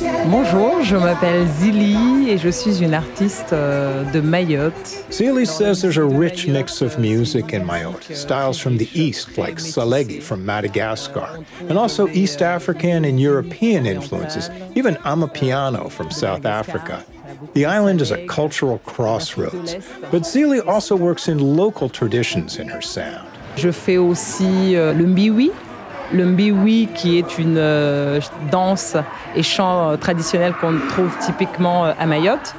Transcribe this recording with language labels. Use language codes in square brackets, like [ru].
[fr] Bonjour, je m'appelle Zili et je suis une artiste de Mayotte. [en] Zili says there's a rich mix of music in Mayotte, styles from the East like Salegi from Madagascar, and also East African and European influences, even Amapiano from South Africa. The island is a cultural crossroads, but Zili also works in local traditions in her sound. [fr] Je fais aussi le mbiwi. Le mbiwi, qui est une danse et chant traditionnel qu'on trouve typiquement à Mayotte.